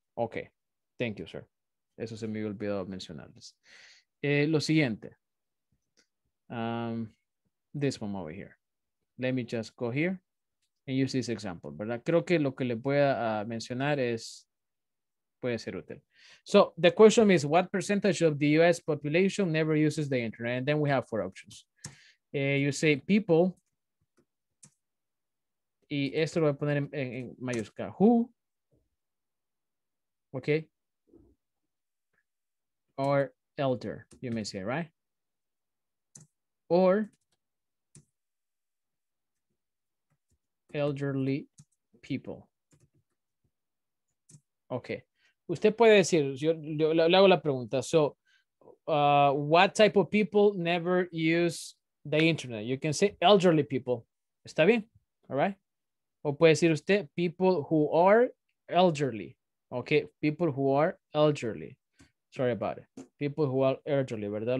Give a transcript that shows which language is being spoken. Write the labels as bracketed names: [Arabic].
[English] Okay, thank you, sir. [Spanish] Eso se me olvidó mencionarles. Lo siguiente. [English] This one over here. Let me just go here and use this example, [Spanish] ¿verdad? Creo que lo que les voy a mencionar es... puede ser útil. [English] So the question is, what percentage of the US population never uses the internet? And then we have four options. You say people, [Spanish] y esto lo voy a poner en mayúscula, [English] who, okay, or elder, you may say, right? Or elderly people. Okay. [Spanish] Usted puede decir, yo le hago la pregunta. [English] So, what type of people never use the internet? You can say elderly people. [Spanish] ¿Está bien? [English] All right. [Spanish] O puede decir usted [English] people who are elderly. Okay. People who are elderly. Sorry about it. People who are elderly, [Spanish] ¿verdad?